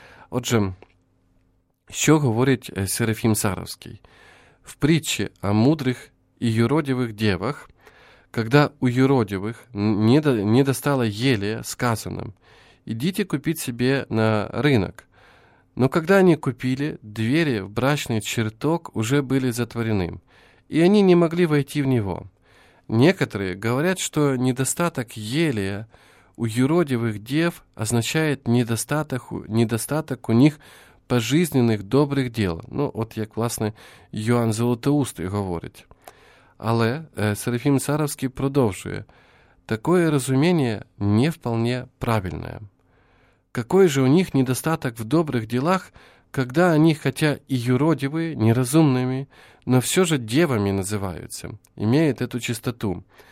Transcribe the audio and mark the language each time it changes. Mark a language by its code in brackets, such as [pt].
[uk] Отже, що говорить Серафім Саровський? В притчі о мудрих і юродівих дівах, когда у юродівих не достала єлі, сказано: «Ідіть купіть собі на ринок». [ru] Но когда они купили, двери в брачный чертог уже были затворены, и они не могли войти в него. Некоторые говорят, что недостаток елея у юродивых дев означает недостаток у них пожизненных добрых дел. [uk] Ну, вот як, власне, Іоанн Златоустий говорить. Але Серафим Саровский продовжує: [ru] такое разумение не вполне правильное. Какой же у них недостаток в добрых делах, когда они, хотя и юродивые, неразумными, но все же девами называются, имеют эту чистоту?